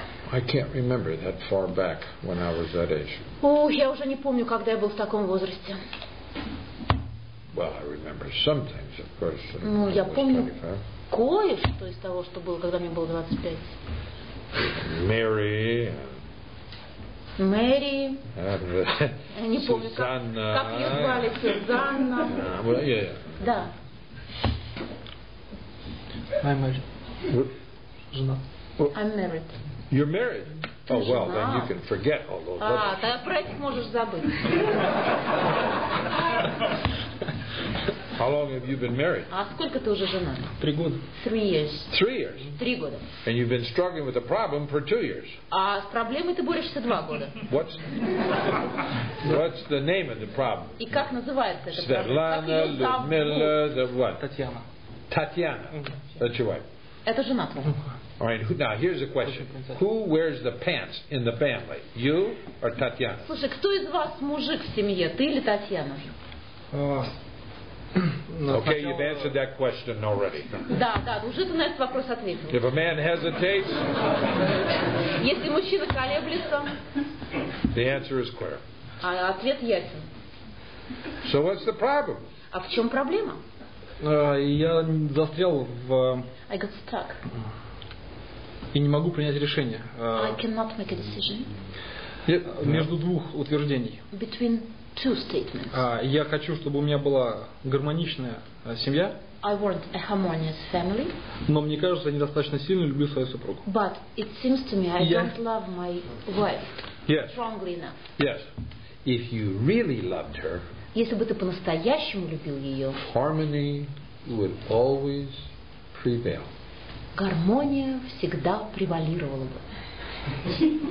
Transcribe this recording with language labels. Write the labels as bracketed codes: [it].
[en] I can't remember that far back when I was that age. [ru] Я уже не помню, когда я был в таком возрасте. [en] Well, I remember some things, of course. [ru] Ну, я помню кое-что из того, что было, когда мне было 25. [en] Mary. [ru] Мэри. Не помню, Сюзанна. Как ее звали, Сюзанна. Да. [en] I'm married. [ru] Жена. [en] I'm married. You're married. [ru] Ты [en] oh well, [ru] жена. [en] Then you can forget all those. [ru] Тогда про этих можешь забыть. [en] How long have you been married? [ru] А сколько ты уже жена? 3 года. [en] 3 years. 3 years. [ru] 3 года. [en] And you've been struggling with the problem for 2 years. [ru] А с проблемой ты борешься 2 года. [en] What's the name of the problem? [ru] И как называется это? [en] Светлана, Людмила, the what? [ru] Татьяна. [en] Татьяна. That's your wife. [ru] Это жена твоя. [en] All right. Now here's a question: who wears the pants in the family? You or Татьяна? [ru] Слушай, кто из вас мужик в семье? Ты или Татьяна? [en] Okay, you've answered that question already. [ru] Да, да, уже ты на этот вопрос ответил. [en] If a man hesitates, [ru] если мужчина колеблется, [en] the answer is clear. [ru] А ответ ясен. [en] So what's the problem? [ru] А в чем проблема? Я застрял в. [en] I got stuck. [ru] И не могу принять решение. [en] I cannot make a decision. [ru] Между двух утверждений. [en] Between two statements. [ru] Я хочу, чтобы у меня была гармоничная семья. [en] I want a harmonious family. [ru] Но мне кажется, я недостаточно сильно люблю свою супругу. [en] But it seems to me I don't love my wife strongly enough. Yes. If you really loved her. [ru] Если бы ты по-настоящему любил ее. [en] Harmony would always prevail. [ru] Гармония всегда превалировала бы.